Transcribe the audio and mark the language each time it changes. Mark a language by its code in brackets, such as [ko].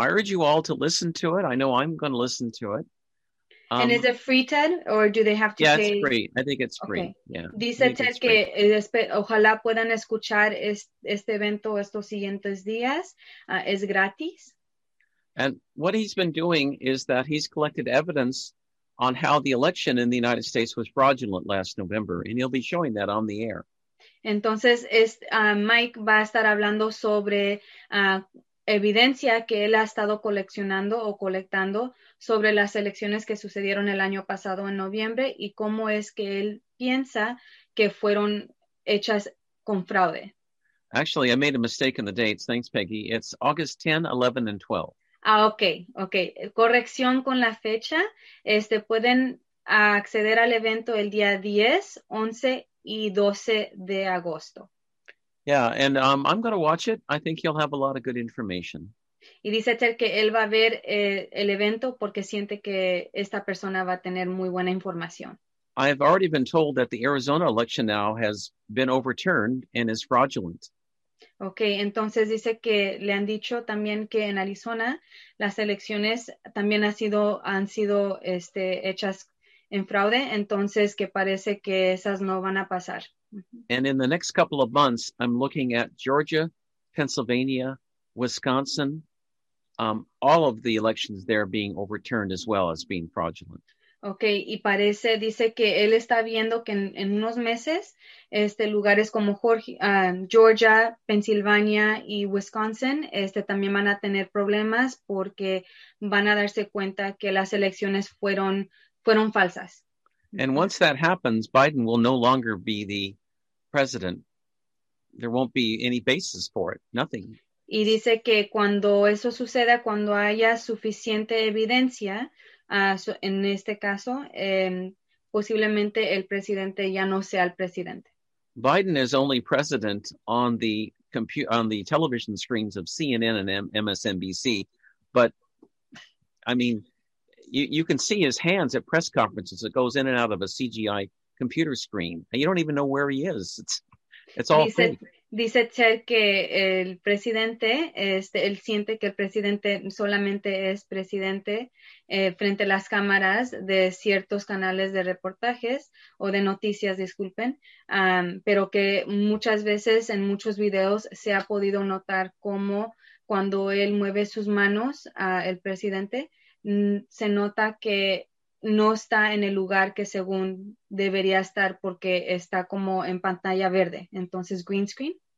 [en] I urge you all to listen to it. I know I'm going to listen to it. And is it free, Ted? Or do they have to pay? Yeah, it's free. I think it's free. Okay. Yeah. [es] Dice Ted que ojalá puedan escuchar este evento estos siguientes días. Es gratis. [en] And what he's been doing is that he's collected evidence on how the election in the United States was fraudulent last November. And he'll be showing that on the air. [es] Entonces, Mike va a estar hablando sobre evidencia que él ha estado coleccionando o colectando sobre las elecciones que sucedieron el año pasado en noviembre y cómo es que él piensa que fueron hechas con fraude. [en] Actually, I made a mistake in the dates. Thanks, Peggy. It's August 10, 11, and 12. [es] Ah, ok. Ok. Corrección con la fecha. Pueden acceder al evento el día 10, 11 y 12 de agosto. [en] Yeah, and I'm going to watch it. I think he'll have a lot of good information. [es] Y dice Ted que él va a ver el evento porque siente que esta persona va a tener muy buena información. [en] I have already been told that the Arizona election now has been overturned and is fraudulent. [es] Okay, entonces dice que le han dicho también que en Arizona las elecciones también han sido hechas en fraude, entonces que parece que esas no van a pasar. [en] And in the next couple of months, I'm looking at Georgia, Pennsylvania, Wisconsin, all of the elections there being overturned as well as being fraudulent. [es] Okay, y parece, dice que él está viendo que en unos meses, lugares como Georgia, Pennsylvania y Wisconsin, también van a tener problemas porque van a darse cuenta que las elecciones fueron falsas. [en] And once that happens, Biden will no longer be the president. There won't be any basis for it. Nothing. [es] Y dice que cuando eso suceda, cuando haya suficiente evidencia, en este caso, posiblemente el presidente ya no sea el presidente. [en] Biden is only president on the television screens of CNN and MSNBC. But, I mean, you can see his hands at press conferences. It goes in and out of a CGI computer screen. And you don't even know where he is. It's all fake. [es] Dice Ted que el presidente, él siente que el presidente solamente es presidente frente a las cámaras de ciertos canales de reportajes o de noticias, disculpen, pero que muchas veces en muchos videos se ha podido notar cómo cuando él mueve sus manos el presidente, se nota que no está en el lugar que según debería estar porque está como en pantalla verde, entonces green screen.